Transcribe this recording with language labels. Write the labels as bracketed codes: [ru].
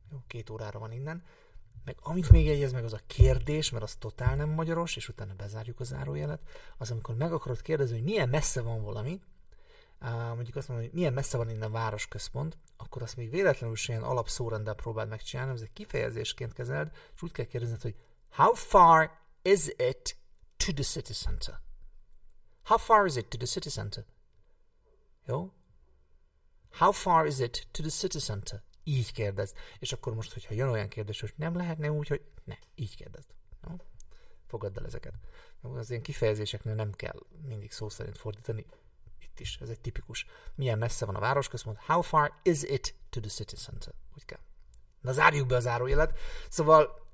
[hu] Jó, 2 órára van innen. Meg amit még jegyez meg, az a kérdés, mert az totál nem magyaros, és utána bezárjuk a zárójelet, az amikor meg akarod kérdezni, hogy milyen messze van valami, mondjuk azt mondom, hogy milyen messze van innen városközpont, akkor azt még véletlenül sem ilyen alapszórenddel próbáld megcsinálni, ez egy kifejezésként kezeled, és úgy kell kérdezned, hogy [en] how far is it to the city center? How far is it to the city center? [hu] Jó? [en] How far is it to the city center? [hu] Így kérdezd. És akkor most, hogyha jön olyan kérdés, hogy nem lehetne úgy, hogy ne, így kérdezd. Jó? Fogadd el ezeket. Az ilyen kifejezéseknél nem kell mindig szó szerint fordítani. Itt is, ez egy tipikus. Milyen messze van a városközpont? [en] How far is it to the city center? [hu] Úgy kell. Na, zárjuk be a zárójelet. Szóval